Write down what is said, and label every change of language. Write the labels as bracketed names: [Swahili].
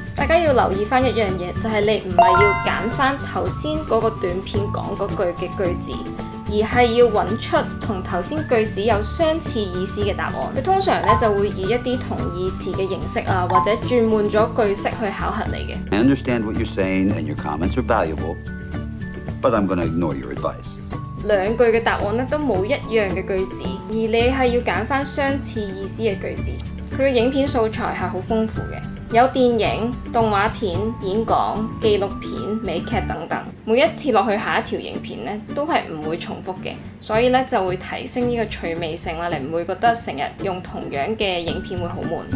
[Chinese] 大家要留意一件事，就是你不是要揀剛才那個短片講那句的句子，而是要找出和剛才句子有相似意思的答案。它通常就會以一些同義詞的形式或者轉換了句式去考核你的。 [English] I understand what you're saying and your comments are valuable, but I'm going to ignore your advice. [Chinese] 兩句的答案都沒有一樣的句子，而你是要揀剛相似意思的句子。它的影片素材是很豐富的，有電影、動畫片、演講、紀錄片、美劇等等，每一次下去下一條影片都是不會重複的，所以就會提升這個趣味性，你不會覺得經常用同樣的影片會很悶。